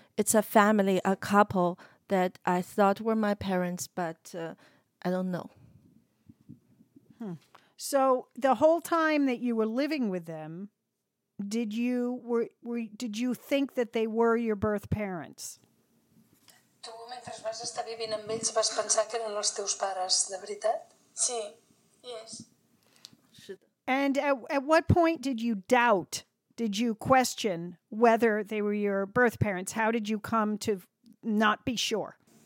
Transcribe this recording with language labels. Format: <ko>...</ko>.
<en>It's a family, a couple that I thought were my parents, but I don't know. So the whole time that you were living with them, did you think that they were your birth parents?</en> <ca>Tu mentre vas estar vivint amb ells vas pensar que eren els teus pares, de veritat? Sí.</ca> <en>Yes. And at what point did you doubt, did you question whether they were your birth parents? How did you come to not be sure?</en>